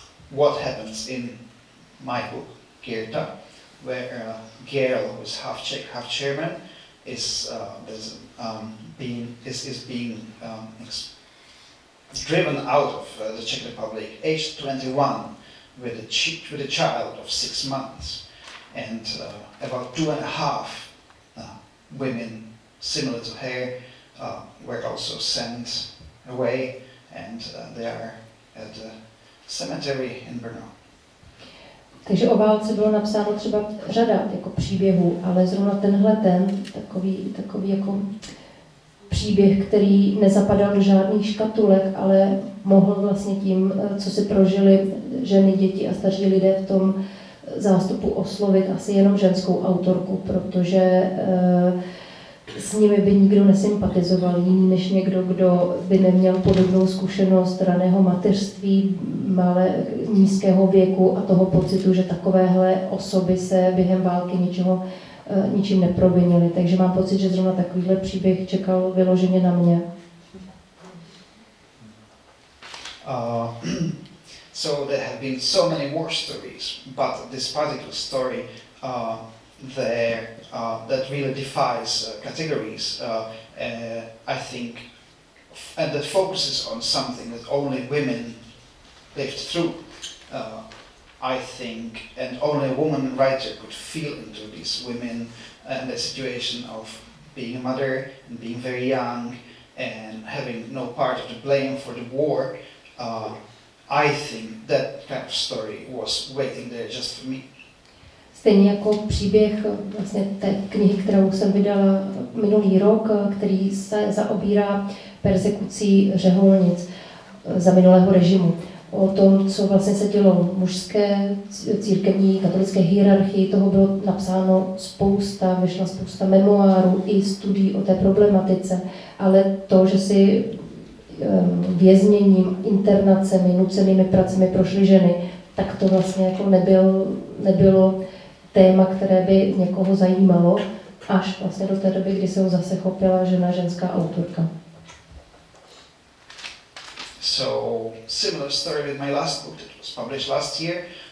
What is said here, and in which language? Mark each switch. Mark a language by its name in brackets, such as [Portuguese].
[English] What happens in my book, Gerta, where a girl who is half Czech, half German, is driven out of the Czech Republic, aged 21, with a child of 6 months, and about 2.5 women similar to her were also sent away, and they are at the cemetery in Brno. [Czech] Takže o válce bylo napsáno třeba řada jako příběhů, ale zrovna tenhle ten takový jako příběh, který nezapadal do žádných škatulek, ale mohl vlastně tím, co si prožili ženy, děti a starší lidé v tom zástupu, oslovit asi jenom ženskou autorku, protože s nimi by nikdo nesympatizoval, jiný než někdo, kdo by neměl podobnou zkušenost raného mateřství, malé, nízkého věku a toho pocitu, že takovéhle osoby se během války ničím neprovinily. Takže mám pocit, že zrovna takovýhle příběh čekal vyloženě na mě. [English] So there have been so many war stories, but this particular story that really defies categories, I think, and that focuses on something that only women lived through, I think, and only a woman writer could feel into these women and the situation of being a mother and being very young and having no part of the blame for the war. I think that kind of story was waiting there just for me. [Czech] Stejně jako příběh vlastně té knihy, kterou jsem vydala minulý rok, který se zaobírá perzekucí řeholnic za minulého režimu. O tom, co vlastně se dělo mužské církevní katolické hierarchii, toho bylo napsáno spousta, vyšla spousta memoárů i studií o té problematice, ale to, že si vězněním, internacemi, nucenými pracemi prošly ženy, tak to vlastně jako nebylo téma, které by někoho zajímalo, až vlastně do té doby, kdy se ho zase chopila žena, ženská autorka. [English] So, similar story with my last book that was published last year.